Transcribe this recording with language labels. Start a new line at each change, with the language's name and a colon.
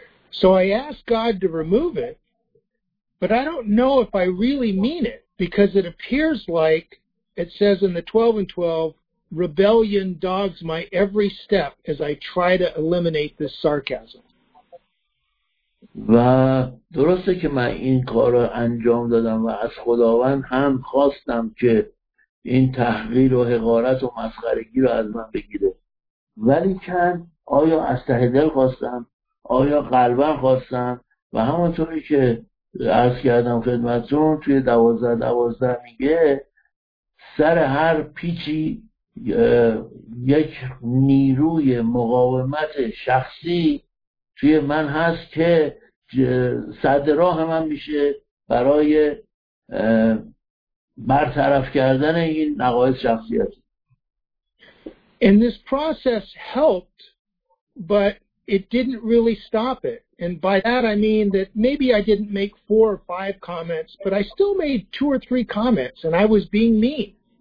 English: So I ask God to remove it, but I don't know if I really mean it, because it appears like it says in the 12 and 12, rebellion dogs my every step as I try to eliminate this sarcasm.
Persian: و درسته که من این کار رو انجام دادم و از خداوند هم خواستم که این تحقیر و حقارت و مسخرگی رو از من بگیره، ولی کن آیا از ته دل خواستم، آیا قلبم خواستم؟ و همونطوری که عرض کردم خدمتتون توی دوازده دوازده میگه سر هر پیچی یک نیروی مقاومت شخصی توی من هست که صد راه من میشه برای برطرف کردن این نقایص شخصیتی.
English: And this process helped, but it didn't really stop it. And by that I mean that maybe I didn't make four or five comments, but I still made two or three comments and I was being mean.